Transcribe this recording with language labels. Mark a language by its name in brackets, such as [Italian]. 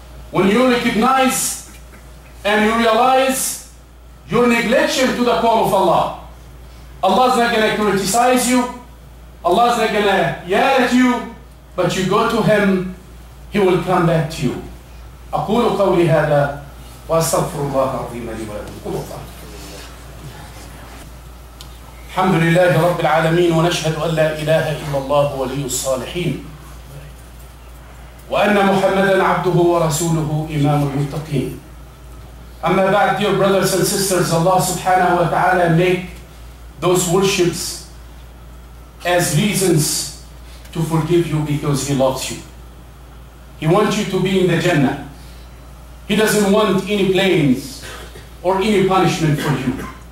[English] When you recognize and you realize your neglection to the call of Allah, Allah's not going to criticize you, Allah's not going to yell at you, but you go to Him, He will come back to you. [Arabic] أقول قولي هذا وأستغفر الله العظيم لي ولكم. الحمد لله رب العالمين ونشهد أن لا إله إلا الله ولي الصالحين وأن محمدا عبده ورسوله إمام المتقين. أما بعد, [English] dear brothers and sisters, Allah subhanahu wa ta'ala make those worships as reasons to forgive you because He loves you. He wants you to be in the Jannah. He doesn't want any blames or any punishment for you.